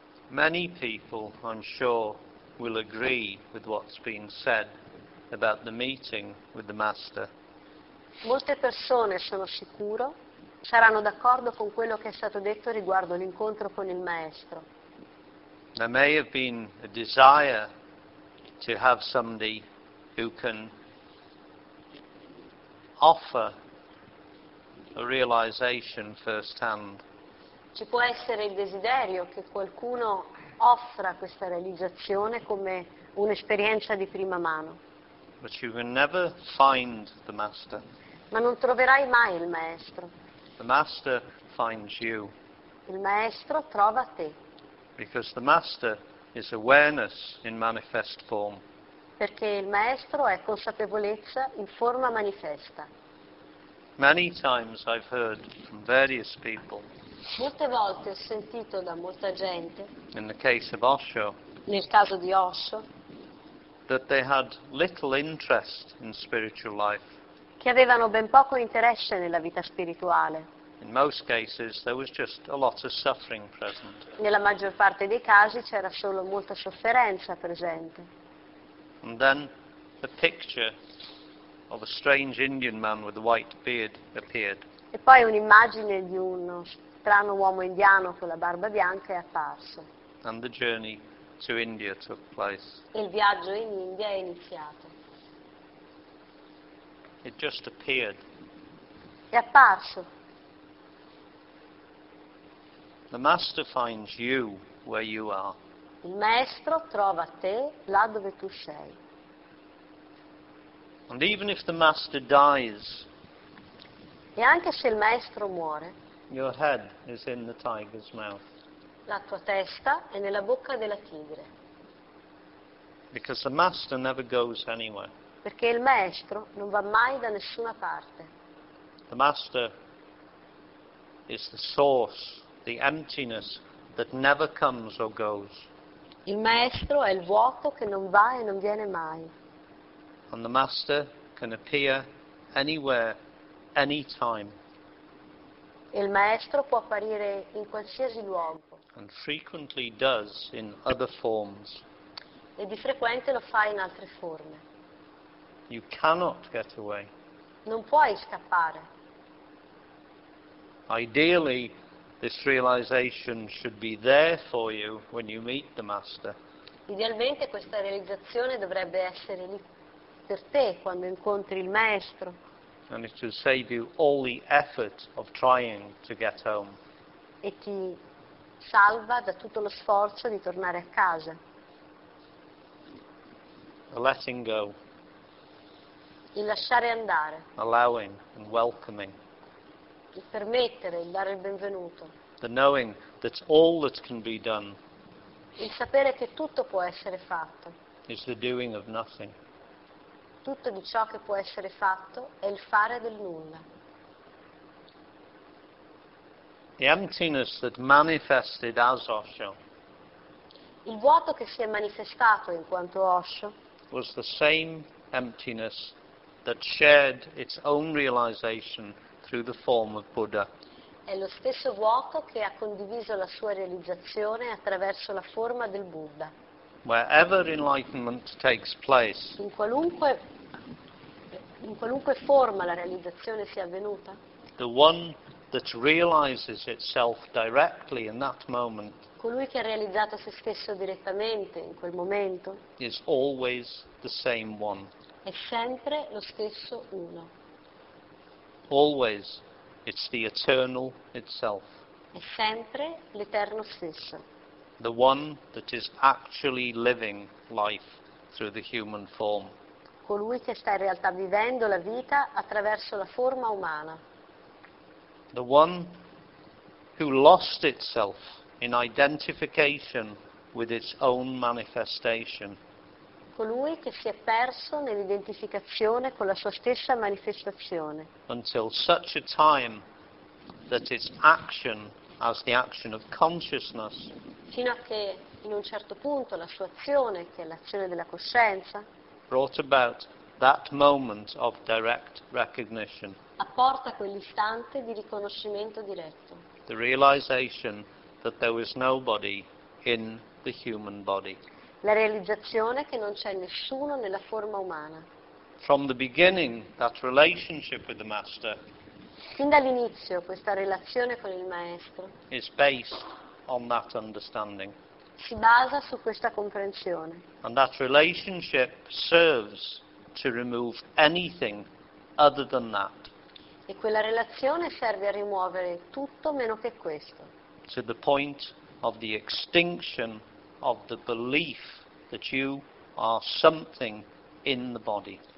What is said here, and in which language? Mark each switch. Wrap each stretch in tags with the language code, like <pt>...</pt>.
<en>Many people, I'm sure, will agree with what's been said about the meeting with the Master.</en> <it>Molte persone, sono sicuro, saranno d'accordo con quello che è stato detto riguardo l'incontro con il Maestro.</it> <en>There may have been a desire to have somebody who can offer a realization firsthand.</en> <it>Ci può essere il desiderio che qualcuno offra questa realizzazione come un'esperienza di prima mano.</it> <en>But you can never find the Master.</en> <it>Ma non troverai mai il maestro.</it> <en>The Master finds you.</en> <it>Il maestro trova te.</it> <en>Because the Master is awareness in manifest form.</en> <it>Perché il maestro è consapevolezza in forma manifesta. Molte</it> <en>Many times I've heard from various people,</en> <it>volte ho sentito da molta gente,</it> <en>in the case of Osho,</en> <it>nel caso di Osho,</it> <en>that they had little interest in spiritual life.</en> <it>che avevano ben poco interesse nella vita spirituale.</it> <en>In most cases, there was just a lot of suffering present.</en> <it>Nella maggior parte dei casi c'era solo molta sofferenza presente.</it> <en>And then a picture of a strange Indian man with a white beard appeared.</en> <it>E poi un'immagine di uno strano uomo indiano con la barba bianca è apparso.</it> <en>And the journey to India took place.</en> <it>E il viaggio in India è iniziato.</it> <en>It just appeared.</en> <it>È apparso.</it> <en>The Master finds you where you are.</en> <it>Il maestro trova te là dove tu sei.</it> <en>And even if the Master dies,</en> <it>E anche se il maestro muore,</it> <en>your head is in the tiger's mouth.</en> <it>la tua testa è nella bocca della tigre.</it> <en>Because the Master never goes anywhere.</en> <it>Perché il maestro non va mai da nessuna parte.</it> <en>The Master is the source, the emptiness that never comes or goes.</en> <it>Il maestro è il vuoto che non va e non viene mai. E</it> <en>And the Master can appear anywhere, anytime.</en> <it>il maestro può apparire in qualsiasi luogo.</it> <en>And frequently does in other forms.</en> <it>E di frequente lo fa in altre forme.</it> <en>You cannot get away.</en> <it>Non puoi scappare.</it> <en>Ideally, this realization should be there for you when you meet the Master.</en> <it>Idealmente questa realizzazione dovrebbe essere lì per per te quando incontri il maestro.</it> <en>And it will save you all the effort of trying to get home.</en> <it>E ti salva da tutto lo sforzo di tornare a casa.</it> <en>Letting go.</en> <it>Il lasciare andare.</it> <en>Allowing and welcoming.</en> <it>Il permettere, il dare il benvenuto.</it> <en>The knowing that all that can be done.</en> <it>Il sapere che tutto può essere fatto.</it> <en>Is the doing of nothing.</en> <it>Tutto di ciò che può essere fatto è il fare del nulla.</it> <en>The emptiness that manifested as Osho.</en> <it>Il vuoto che si è manifestato in quanto Osho.</it> <en>Was the same emptiness that shared its own realization through the form of Buddha.</en> <it>È lo stesso vuoto che ha condiviso la sua realizzazione attraverso la forma del Buddha.</it> <en>Wherever enlightenment takes place.</en> <it>In qualunque forma la realizzazione sia avvenuta.</it> <en>The one that realizes itself directly in that moment.</en> <it>Colui che ha realizzato se stesso direttamente in quel momento.</it> <en>Is always the same one.</en> <it>È sempre lo stesso uno.</it> <en>Always. It's the eternal itself.</en> <it>È sempre l'eterno stesso.</it> <en>The one that is actually living life through the human form.</en> <it>Colui che sta in realtà vivendo la vita attraverso la forma umana.</it> <en>The one who lost itself in identification with its own manifestation.</en> <it>Colui che si è perso nell'identificazione con la sua stessa manifestazione.</it> <en>Until such a time that its action as the action of consciousness.</en> <it>Fino a che in un certo punto la sua azione, che è l'azione della coscienza.</it> <en>Brought about that moment of direct recognition.</en> <it>Apporta quell'istante di riconoscimento diretto.</it> <en>The realization that there was nobody in the human body.</en> <it>La realizzazione che non c'è nessuno nella forma umana.</it> <en>From the beginning, that relationship with the master.</en> <it>Fin dall'inizio questa relazione con il maestro.</it> <en>Is based on that understanding.</en> <it>Si basa su questa comprensione.</it> <en>And that relationship serves to remove anything other than that.</en> <it>E quella relazione serve a rimuovere tutto meno che questo.</it> <en>To the point of the extinction of the belief that you are something in the body.</en>